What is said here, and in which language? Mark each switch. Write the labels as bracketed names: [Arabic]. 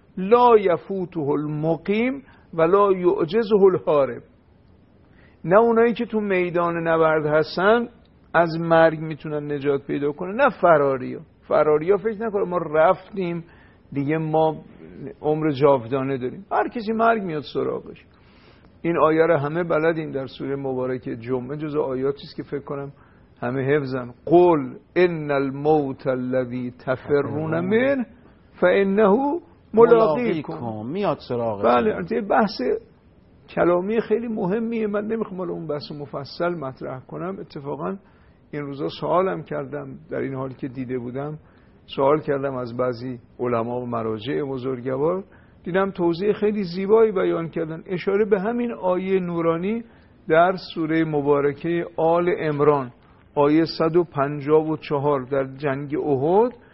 [Arabic] لا یفوته المقیم ولا یعجزه الحارب، [Persian] نه اونایی که تو میدان نبرد هستن از مرگ میتونن نجات پیدا کنن، نه فراری ها. فراری ها فکر نکنه ما رفتیم دیگه، ما عمر جاودانه داریم، هر کسی مرگ میاد سراغش. این آیه رو همه بلدین، در سوره مبارکه جمعه جز آیاتی است که فکر کنم همه حفظن. [Arabic] قل ان الموت الذي تفرون منه فانه ملاقيكم، [Persian] میاد سراغتون. بله، البته بحث کلامی خیلی مهمیه، من نمیخوام الان اون بحث مفصل مطرح کنم. اتفاقا این روزا سوالم کردم در این حالی که دیده بودم سوال کردم از بعضی علما و مراجع بزرگوار، دیدم توضیح خیلی زیبایی بیان کردن، اشاره به همین آیه نورانی در سوره مبارکه آل عمران آیه 154 در جنگ احد.